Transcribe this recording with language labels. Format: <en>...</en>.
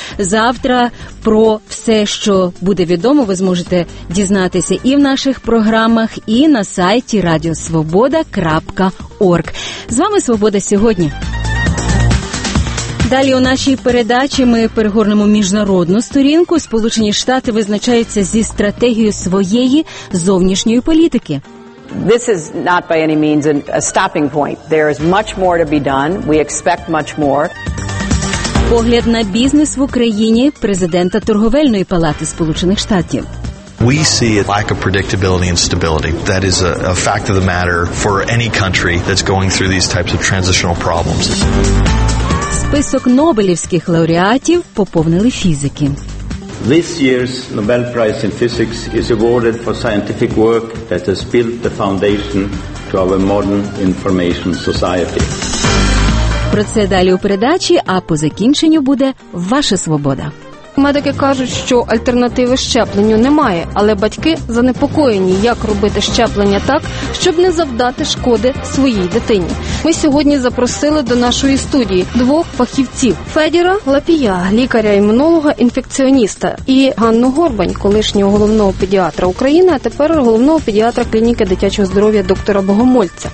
<uk>Завтра про все, що буде відомо, ви зможете дізнатися і в наших програмах, і на сайті radiosvoboda.org. З вами «Свобода сьогодні». Далі у нашій передачі ми перегорнемо міжнародну сторінку. Сполучені Штати визначаються зі стратегією своєї зовнішньої політики.</uk> <en>This is not by any means a stopping point. There is much more to be done. We expect much more.</en> <uk>Погляд на бізнес в Україні президента Торговельної палати Сполучених Штатів.</uk> <en>We see a lack of predictability and stability. That is a fact of the matter for any country that's going through these types of transitional problems.</en> <uk>Список нобелівських лауреатів поповнили фізики.</uk> <en>This year's Nobel Prize in Physics is awarded for scientific work that has built the foundation to our modern information society.</en> <uk>Про це далі у передачі, а по закінченню буде ваша свобода. Медики кажуть, що альтернативи щепленню немає, але батьки занепокоєні, як робити щеплення так, щоб не завдати шкоди своїй дитині. Ми сьогодні запросили до нашої студії двох фахівців – Федіра Лапія, лікаря-імунолога-інфекціоніста, і Ганну Горбань, колишнього головного педіатра України, а тепер головного педіатра клініки дитячого здоров'я доктора Богомольця.</uk>